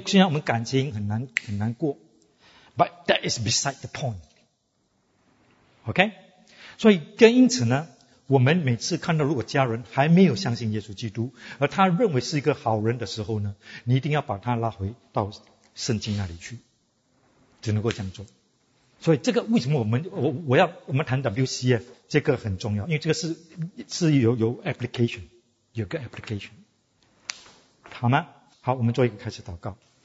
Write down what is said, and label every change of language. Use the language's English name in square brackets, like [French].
[Chinese] 不是上帝的心意，不是上帝的善行的定义，所以我们要很小心。一旦你接受这个人，哦，这个人可以到上帝那里去，因为他有自己的善行的时候，我就上个礼拜我说，你基本上你可以不用相信耶稣基督，你可以不用。所以都是有影响力的，这个会影响到什么？你怎么样看基督？明白吗？他也会影响你怎么看救恩，明白吗？所以现在我们感情很难过。 [English] But that is beside the point. [Chinese] Okay?所以因此呢，我们每次看到如果家人还没有相信耶稣基督，而他认为是一个好人的时候呢，你一定要把他拉回到圣经那里去，只能够这样做。所以这个为什么我们谈WCF 这个很重要，因为这个是有 application， 有个 application， 好吗？好，我们做一个开始祷告。